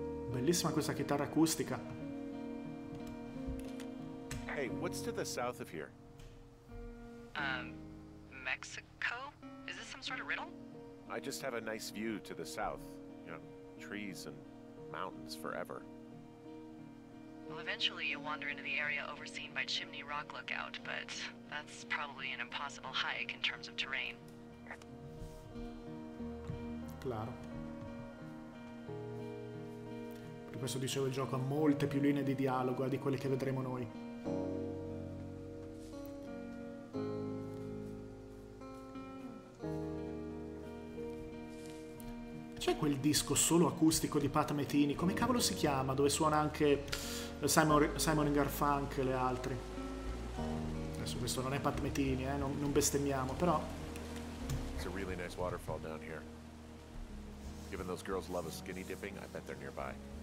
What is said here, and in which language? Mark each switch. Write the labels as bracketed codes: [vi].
[it] Bellissimo. bellissima questa chitarra acustica. [en] Hey, what's to the south of here? Mexico? Is this some sort of riddle? I just have a nice view to the south. You know, trees and mountains forever. Well, eventually you'll wander into the area overseen by Chimney Rock Lookout, but that's probably an impossible hike in terms of terrain. [es] Claro. [it] Per questo dicevo, il gioco ha molte più linee di dialogo di quelle che vedremo noi. C'è quel disco solo acustico di Pat Metheny, come cavolo si chiama, dove suona anche Simon Garfunkel e altri? Adesso questo non è Pat Metheny, non bestemmiamo, però. [en] It's a really nice waterfall down here. Given those girls love a skinny dipping, I bet they're nearby.